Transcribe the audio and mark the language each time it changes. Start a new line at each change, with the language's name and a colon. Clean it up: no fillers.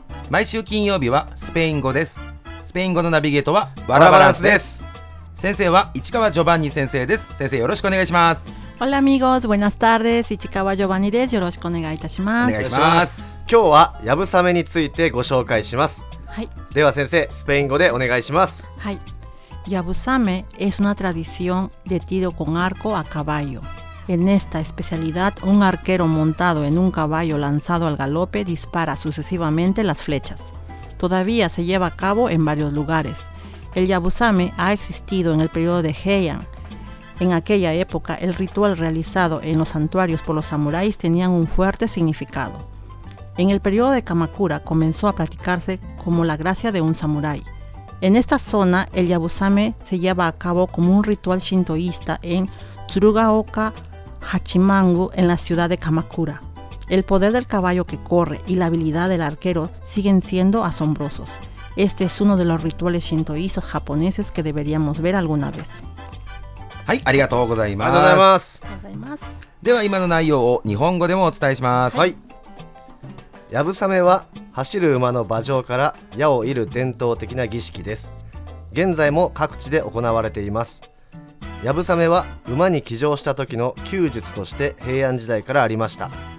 Japanese: 毎週金曜日はスペイン語です。スペイン語のナビゲートはバラバランスです。先生は市川ジョバンニ先生です。先生よろしくお願いします。
Spanish: Hola amigos, buenas tardes,
Japanese: 市川ジョバンニです。よろしくお願いいたします。お願いします。今日はヤブサメについてご紹介します。はい、では先生スペイン語でお願いします。
Spanish: はい、ヤブサメ es una tradición de tiro con arco a caballo. En esta especialidad, un arquero montado en un caballo lanzado al galope dispara sucesivamente las flechas. Todavía se lleva a cabo en varios lugares. El ヤブサメ ha existido en el periodo de Heian. En aquella época, el ritual realizado en los santuarios por los samuráis tenía un fuerte significado. En el periodo de Kamakura, comenzó a practicarse como la gracia de un samurái. En esta zona, el ヤブサメ se lleva a cabo como un ritual shintoísta en Tsurugaoka Hachimangu en la ciudad de Kamakura. El poder del caballo que corre y la habilidad del arquero siguen siendo asombrosos. Este es uno de los rituales shintoístas japoneses que deberíamos ver alguna vez.
Japanese: はい、ありがとうございます。ありがとうございます。では今の内容を日本語でもお伝えします。はい。ヤブサメは走る馬の馬上から矢を射る伝統的な儀式です。現在も各地で行われています。ヤブサメは馬に騎乗した時の弓術として平安時代からありました。